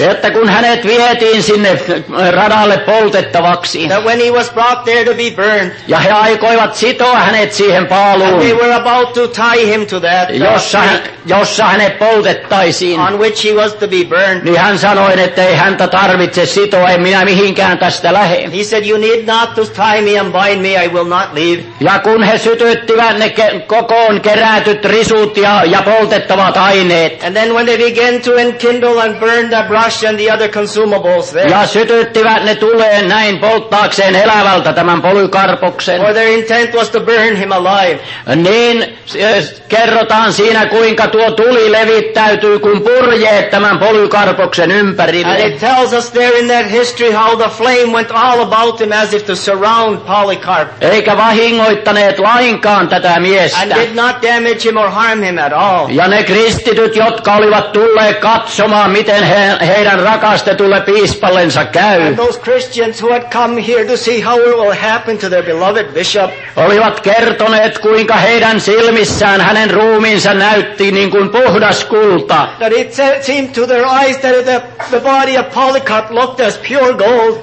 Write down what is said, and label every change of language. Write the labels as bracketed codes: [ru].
[fi] Että kun hänet vietiin sinne radalle poltettavaksi. [en] That when he was brought there to be burned. [fi] Ja he aikoivat sitoa hänet siihen paaluun. [en] And they were about to tie him to that. [fi] Jossa hänet poltettaisiin. [en] On which he was to be burned. [fi] Niin hän sanoi, että ei häntä tarvitse sitoa, en minä mihinkään tästä lähe. [en] He said, you need not to candles tie me and bind me, I will not leave. [fi] Ja kun he sytyttivät ne kokoon kerätyt risut ja poltettavat aineet. [en] And then when they began to enkindle and burn the brush and the other consumables there. [fi] Ja sytyttivät ne tuleen näin polttaakseen elävältä tämän polykarpoksen. [en] Or their intent was to burn him alive. [fi] Niin kerrotaan siinä kuinka tuo tuli levittäytyy kun purjee tämän polykarpoksen ympärille. [en] And it tells us there in that history how the flame went all about him as if to surround Polycarp. [fi] Eikä vahingoittaneet lainkaan tätä miestä. [en] And did not damage him or harm him at all. [fi] Ja ne kristityt, jotka olivat tulleet katsomaan, miten heidän rakastetulle piispallensa käy. [en] And those Christians who had come here to see how it will happen to their beloved bishop. [fi] Olivat kertoneet, kuinka heidän silmissään hänen ruumiinsa näytti niin kuin puhdas kulta. [en] That it seemed to their eyes that the body of Polycarp looked as pure gold.